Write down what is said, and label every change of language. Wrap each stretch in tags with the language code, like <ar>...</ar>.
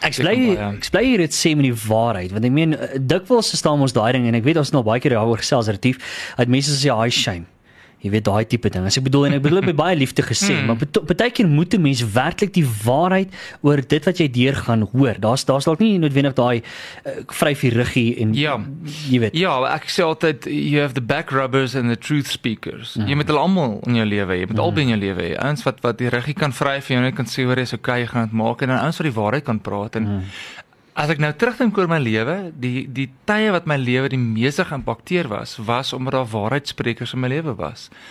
<af>Ek bly hier dit sê met die waarheid, want ek meen dikwels staan ons daai ding en ek weet ons het nog baie keer daaroor gesels Retief, dat mense sê hy shame. Jy weet daai tipe ding. As ek bedoel met baie liefde gesê, maar partykeer moet 'n mens werklik die waarheid oor dit wat jy deurgaan hoor. Daar's dalk nie noodwendig daai vryf die ruggie en ja, jy weet. Ja, ek sê altyd</af> <en>you have the back rubbers and the truth speakers.</en> <af>Jy moet almal in jou lewe hê. Jy moet albei in jou lewe hê. Ouens wat die ruggie kan vryf en jou net kan sê hoor, dis okay, jy gaan dit maak en dan ouens wat die waarheid kan praat en as ek nou terugdink oor my lewe, die tye wat my lewe die meeste geïmpakteer was omdat daar waarheidsprekers in my lewe was.</af>